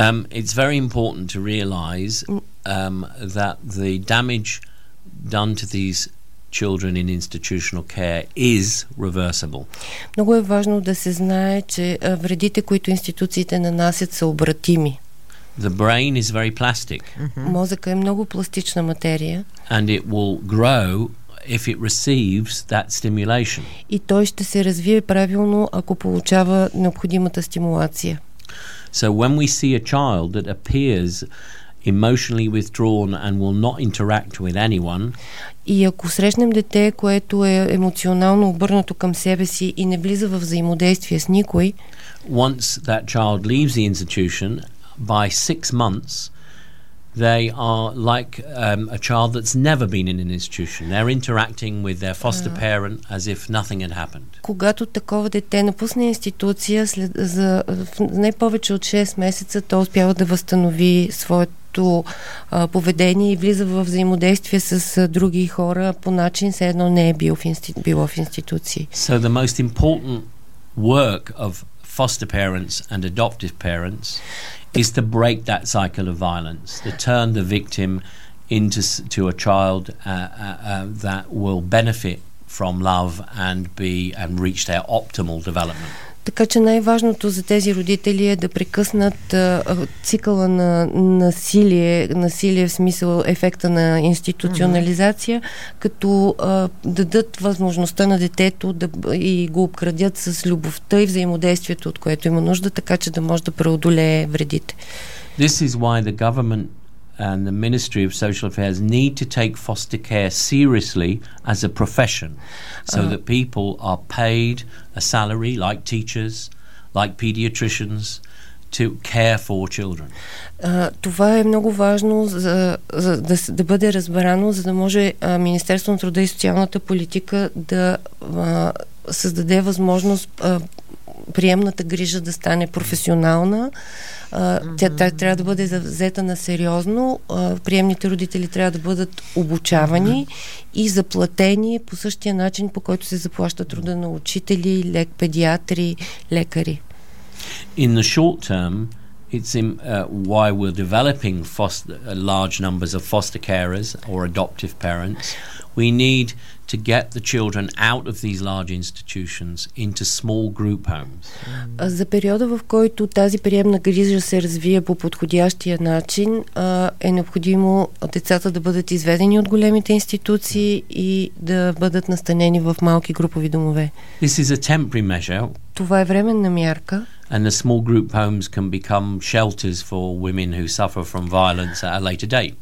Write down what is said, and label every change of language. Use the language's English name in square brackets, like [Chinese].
[English] It's very important to realize that the damage done to these children in institutional care is reversible. [Bulgarian] Много е важно да се знае, че вредите, които институциите нанасят, са обратими. [English] The brain is very plastic. [Bulgarian] Мозъкът е много пластична материя. [English] And it will grow if it receives that stimulation. [Bulgarian] И той ще се развие правилно, ако получава необходимата стимулация. [English] So when we see a child that appears emotionally withdrawn and will not interact with anyone. [Bulgarian] И ако срещнем дете, което е емоционално обърнато към себе си и не влиза в взаимодействие с никой, [English] once that child leaves the institution, by 6 months they are like a child that's never been in an institution. They're interacting with their foster parent as if nothing had happened. [Bulgarian] Когато такова дете напусне институция след за не повече от 6 месеца, то успява да възстанови своето поведение и влиза в взаимодействие с други хора по начин, все едно не е било в институции. [English] So the most important work of foster parents and adoptive parents is to break that cycle of violence, to turn the victim into a child that will benefit from love and be and reach their optimal development. [Bulgarian] Така че най-важното за тези родители е да прекъснат цикъла на насилие в смисъл ефекта на институционализация, като дадат възможността на детето да и го обкрадят с любовта и взаимодействието, от което има нужда, така че да може да преодолее вредите. [English] This is why the government and the Ministry of Social Affairs need to take foster care seriously as a profession, so that people are paid a salary like teachers, like pediatricians, to care for children. [Bulgarian] Това е много важно да бъде разбрано, за да може Министерство на труда и социалната политика да създаде възможност приемната грижа да стане професионална. Тя трябва да бъде взета на сериозно. Приемните родители трябва да бъдат обучавани и заплатени по същия начин, по който се заплаща труда на учители, педиатри, лекари. [English] In the short term, it's why we're developing large numbers of foster carers or adoptive parents. We need to get the children out of these large institutions into small group homes. [Bulgarian] За периода, в който тази приемна грижа се развие по подходящия начин, е необходимо децата да бъдат изведени от големите институции и да бъдат настанени в малки групови домове. [English] This is a temporary measure. [Bulgarian] Това е временна мярка. [English] And the small group homes can become shelters for women who suffer from violence at a later date.